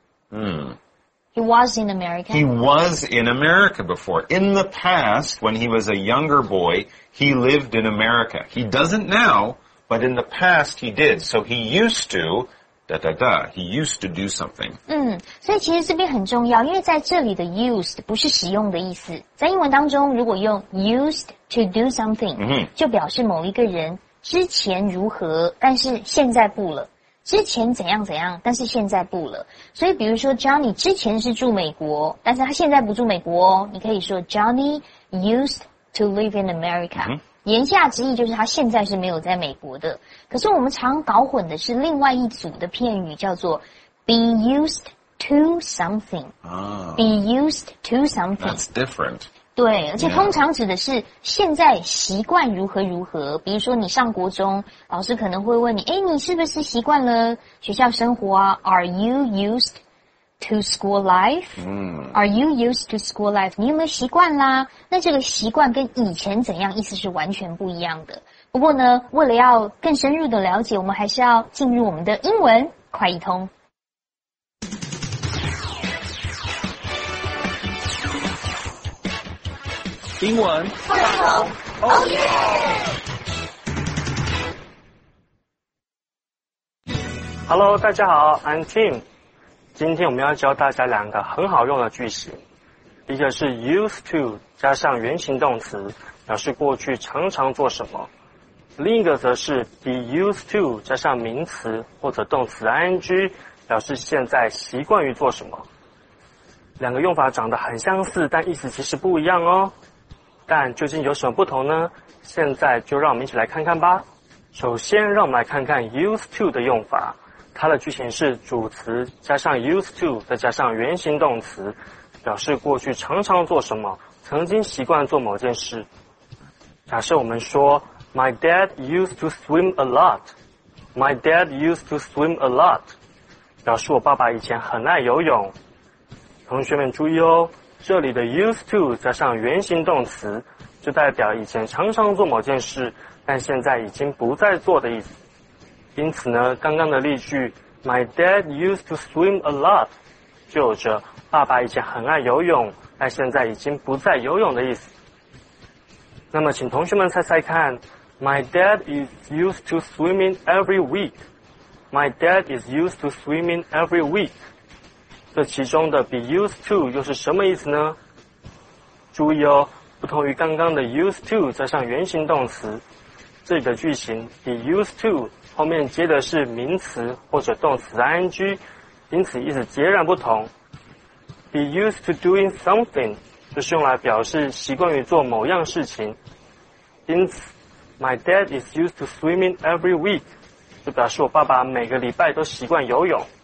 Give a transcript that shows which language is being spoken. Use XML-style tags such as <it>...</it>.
<en>Hmm. He was in America. He was in America before. In the past, when he was a younger boy, he lived in America. He doesn't now, but in the past he did. So he used to, da-da-da, he used to do something.</en> <zh>嗯，所以其实这边很重要，因为在这里的 used 不是使用的意思。在英文当中，如果用</zh> <en>used to do something,、</en> <zh>mm-hmm. 就表示某一个人之前如何，但是现在不了。之前怎样怎样，但是现在不了。所以比如说 Johnny 之前是住美国，但是他现在不住美国哦，你可以说</zh> <en>Johnny used to live in America、</en> <zh>嗯、言下之意就是他现在是没有在美国的。可是我们常搞混的是另外一组的片语，叫做</zh> <en>be used to something、 oh, be used to something, that's different。</en> <zh>对，而且通常指的是现在习惯如何如何，比如说你上国中，老师可能会问你，诶，你是不是习惯了学校生活啊？</zh> <en>Are you used to school life? Are you used to school life?</en> <zh>你有没有习惯啦？那这个习惯跟以前怎样，意思是完全不一样的。不过呢，为了要更深入的了解，我们还是要进入我们的英文快译通。英文快通</zh> <en>，Oh yeah！ Hello，</en> <zh>大家好</zh> <en>，I'm Tim。</en> <zh>今天我们要教大家两个很好用的句型，一个是 used to 加上原形动词，表示过去常常做什么；另一个则是 be used to 加上名词或者动词 ing， 表示现在习惯于做什么。两个用法长得很相似，但意思其实不一样哦。但究竟有什么不同呢？现在就让我们一起来看看吧。首先让我们来看看 used to 的用法，它的句型是主词加上 used to 再加上原形动词，表示过去常常做什么，曾经习惯做某件事。假设我们说</zh> <en>My dad used to swim a lot，</en> <zh>My dad used to swim a lot， 表示我爸爸以前很爱游泳。同学们注意哦，这里的 used to 加上原形动词，就代表以前常常做某件事，但现在已经不再做的意思。因此呢，刚刚的例句</zh> <en>My dad used to swim a lot</en> <zh>就有着爸爸以前很爱游泳，但现在已经不再游泳的意思。那么请同学们猜猜看，</zh> <en>My dad is used to swimming every week，</en> <zh>My dad is used to swimming every week，这其中的 be used to 又是什么意思呢？注意哦，不同于刚刚的 used to 加上原形动词，这里的句型 be used to 后面接的是名词或者动词 ing， 因此意思截然不同。</zh> <en>be used to doing something</en> <zh>就是用来表示习惯于做某样事情，因此</zh> <en>my dad is used to swimming every week</en> <zh>就表示我爸爸每个礼拜都习惯游泳。</zh>